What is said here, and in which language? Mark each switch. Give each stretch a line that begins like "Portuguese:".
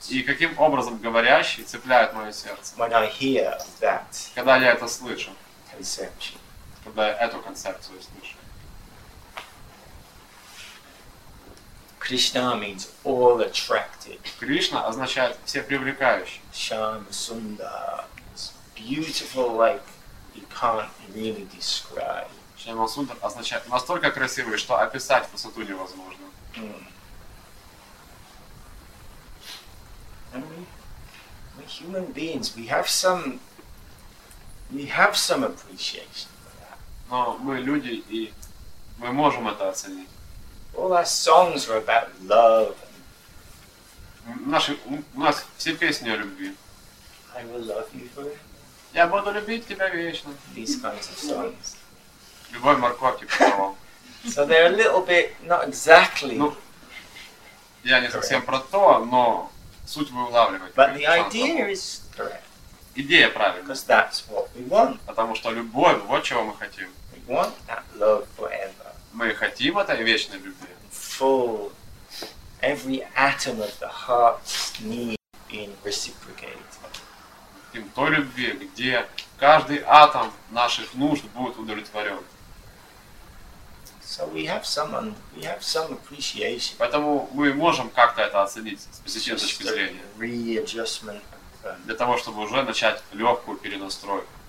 Russian: И каким образом говорящий цепляет мое сердце?
English: When I hear that.
Russian: Когда я это слышу?
English: Conception.
Russian: Когда я эту концепцию слышу?
English: Krishna means all attractive.
Russian: Кришна означает все привлекающие.
English: Shyam Sundar is beautiful like you can't really describe.
Russian: Shyam Sundar означает настолько красивый, что описать красоту невозможно.
English: We human beings, we have some appreciation for that.
Russian: Но мы люди и мы можем это оценить.
English: All our songs are about love.
Russian: У нас все песни о любви.
English: I will love you forever.
Russian: Я буду любить тебя вечно.
English: These kinds of songs.
Russian: Любовь морковки по-моему.
English: So they're a little bit not exactly.
Russian: Ну, я не
English: correct.
Russian: Совсем про то, но суть вы улавливаете.
English: But the idea is correct.
Russian: Идея правильная.
English: Because that's what we want.
Russian: Потому что любовь, вот чего мы хотим.
English: We want that love forever.
Russian: Мы хотим этой вечной любви.
English: Full. Every atom of the heart need being reciprocated.
Russian: Хотим той любви, где каждый атом наших нужд будет удовлетворен.
English: So we have some appreciation.
Russian: Поэтому мы можем как-то это оценить с позитивной точки зрения.
English: Readjustment.
Russian: Для того, чтобы уже начать легкую перенастройку.